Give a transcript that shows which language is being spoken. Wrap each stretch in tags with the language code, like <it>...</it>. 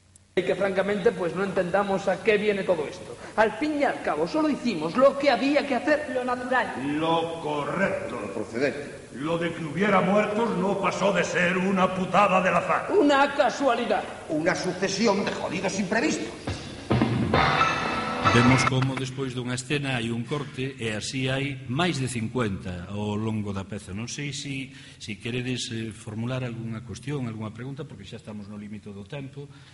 <es>E que francamente pues</es> <gl>non entendamos</gl> <es>a que viene todo isto. Al fin y al cabo, solo hicimos lo que había que hacer. Lo natural. Lo correcto. Lo procedente. Lo de que hubiera muertos no pasó de ser una putada del azar. Una casualidad. Una sucesión de jodidos imprevistos.</es> <gl>Vemos como despois dunha escena hai un corte e así hai máis de 50 ao longo da peza. Non sei se queredes formular alguna cuestión, alguna pregunta, porque xa estamos no límite do tempo.</gl>